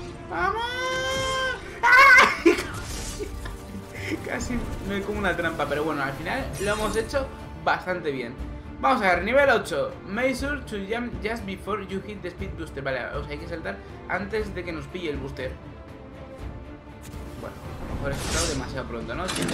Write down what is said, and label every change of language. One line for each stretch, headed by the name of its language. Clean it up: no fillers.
Spanish: ¡Vamos! ¡Ay! Casi me como una trampa, pero bueno, al final lo hemos hecho bastante bien. Vamos a ver, nivel 8.
English: Make sure to jump just before you hit the speed booster.
Spanish: Vale, o sea, hay que saltar antes de que nos pille el booster. Bueno, a lo mejor he saltado demasiado pronto, ¿no?